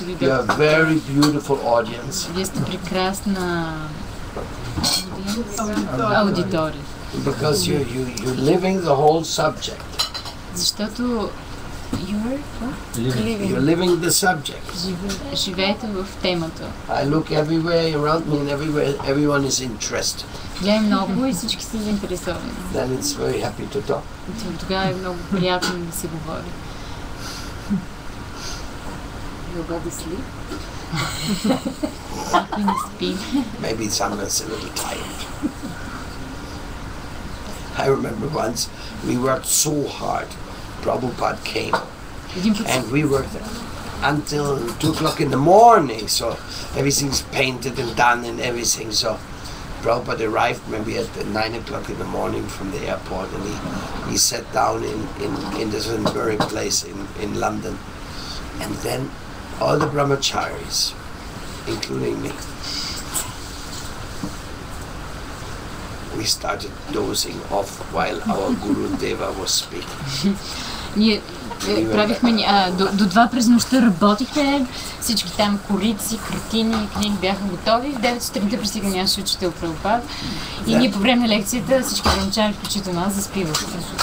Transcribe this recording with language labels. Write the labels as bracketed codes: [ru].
[en] You are a very beautiful audience. Because you're living the whole subject. You're living the subject. I look everywhere around me and everywhere everyone is interested. [bg] Гледам много и всички са заинтересовани. [en] Then it's very happy to talk. [bg] Тогава е много приятно да се говори. [en] Nobody sleep? [bg] Ако не спи. [en] Maybe someone's a little tired. I remember once we worked so hard. Prabhupada came. And we worked there. Until 2 o'clock in the morning. So everything's painted and done and everything. So Prabhupada arrived maybe at 9 o'clock in the morning from the airport, and he sat down in this very place in London. And then all the brahmacharis, including me, we started dozing off while our Guru Deva was speaking. [bg] Правихме до два през нощта работихме, всички там корици, картини, книги бяха готови. В 9 сутринта пристига нашия учител Прабхупада. И ние по време на лекцията всички промчали, включително аз, заспивахме.